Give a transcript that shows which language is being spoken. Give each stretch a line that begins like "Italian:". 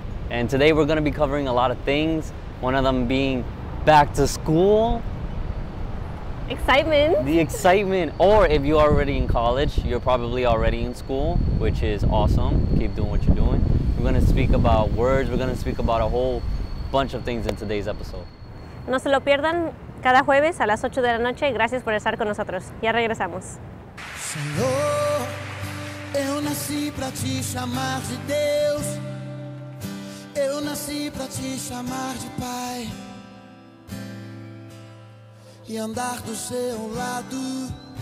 English: And today we're going to be covering a lot of things, one of them being back to school. Excitement. The excitement. Or if you are already in college, you're probably already in school, which is awesome. Keep doing what you're doing. We're going to speak about words. We're going to speak about a whole bunch of things in today's episode.
Spanish: No se lo pierdan cada jueves a las 8 de la noche. Gracias por estar con nosotros. Ya regresamos.
Portuguese: Senhor, eu nasci pra te chamar de Deus. Eu nasci pra te chamar de Pai. E andar do seu lado.